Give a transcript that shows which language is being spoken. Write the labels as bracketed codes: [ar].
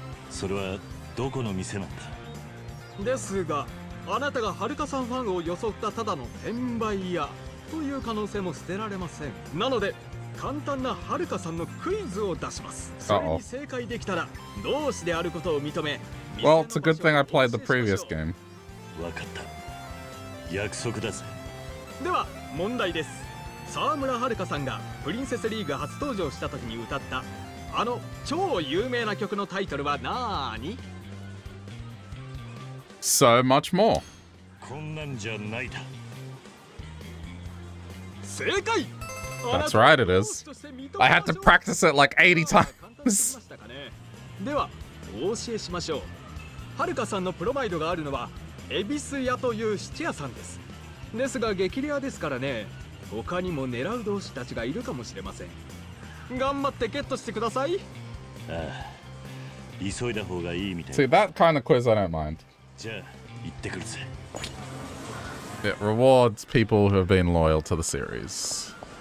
[ja] それはどこの店なんだ。ですがあなたがはるかさんファンを装ったただの転売屋という可能性も捨てられません。なので簡単なはるかさんのクイズを出します。それに正解できたら同志であることを認め。 [en] Well, it's a good thing I played the previous game. [ja] わかった。約束だぜ。では問題です。沢村はるかさんがプリンセスリーグ初登場した時に歌ったあの超有名な曲のタイトルはなーに [en] ？So much more。 [ja] こんなんじゃないだ。正解。 [en] That's right, it is. I had to practice it like 80 times. [ja] では、お教えしましょう。はるかさんのプロマイドがあるのは、恵比寿屋という質屋さんです。ですが、激レアですからね。他にも狙う同士たちがいるかもしれません。頑張ってゲットしてください。ああ、急いだ方がいいみたいな。 [en] See, that kind of quiz I don't mind. [ja] じゃあ、行ってくるぜ。 [en] It rewards people who have been loyal to the series.